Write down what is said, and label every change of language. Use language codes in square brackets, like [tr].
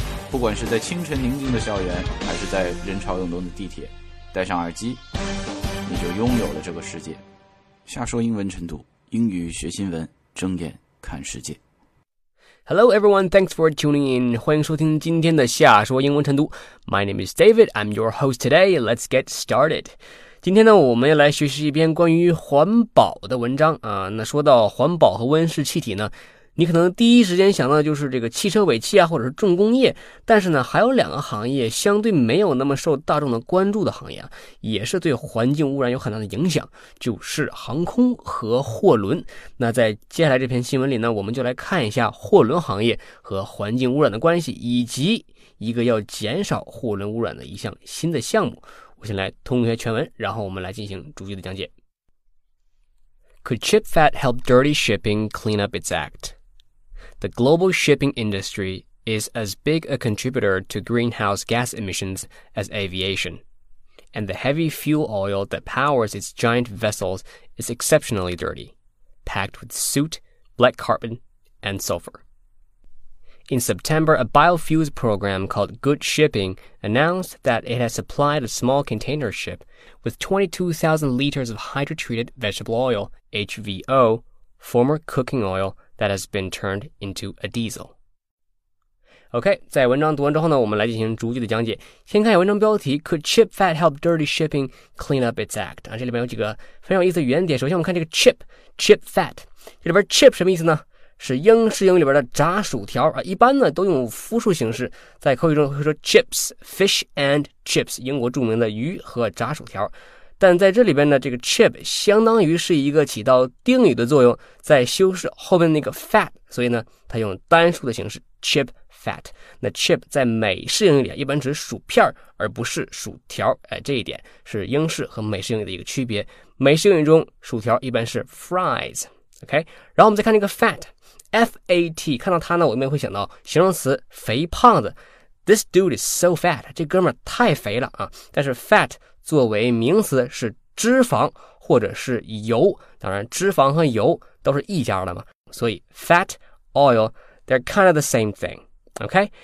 [zh] 不管是在清晨宁静的校园，还是在人潮涌动的地铁，戴上耳机，你就拥有了这个世界。下说英文晨读，英语学新闻，睁眼看世界。 [en] Hello everyone, thanks for tuning in. [zh] 欢迎收听今天的下说英文晨读。 [en] My name is David, I'm your host today. Let's get started. [zh] 今天呢我们要来学习一篇关于环保的文章啊。那说到环保和温室气体呢，你可能第一时间想到就是这个汽车尾气啊，或者是重工业，但是呢还有两个行业相对没有那么受大众的关注的行业啊，也是对环境污染有很大的影响，就是航空和货轮。那在接下来这篇新闻里呢，我们就来看一下货轮行业和环境污染的关系，以及一个要减少货轮污染的一项新的项目。我先来通学全文，然后我们来进行逐句的讲解。 [en] Could ship fat help dirty shipping clean up its act? The global shipping industry is as big a contributor to greenhouse gas emissions as aviation, and the heavy fuel oil that powers its giant vessels is exceptionally dirty, packed with soot, black carbon, and sulfur. In September, a biofuels program called Good Shipping announced that it has supplied a small container ship with 22,000 liters of hydrotreated vegetable oil, HVO, former cooking oil that has been turned into a diesel. [zh] OK, 在文章读完之后呢，我们来进行逐句的讲解。先看一下文章标题 [en] Could chip fat help dirty shipping clean up its act? [zh] 这里面有几个非常有意思的原点。首先我们看这个 chip fat, 这里边 chip 什么意思呢？是英式英语里边的炸薯条啊，一般呢都用复数形式，在口语中会说 chips, [en] fish and chips, [zh] 英国著名的鱼和炸薯条。但在这里边呢，这个 chip 相当于是一个起到定语的作用，在修饰后面那个 fat, 所以呢它用单数的形式 chip fat。那 chip 在美式英语里一般指薯片而不是薯条，这一点是英式和美式英语的一个区别。美式英语中薯条一般是 fries, OK? 然后我们再看那个 fat,F-A-T, 看到它呢我们会想到形容词肥胖子。 [en] This dude is so fat, [zh] 这哥们儿太肥了啊。但是 fat 作为名词是脂肪或者是油，当然脂肪和油都是一家的嘛。所以 [en] fat, oil, they're kind of the same thing, OK?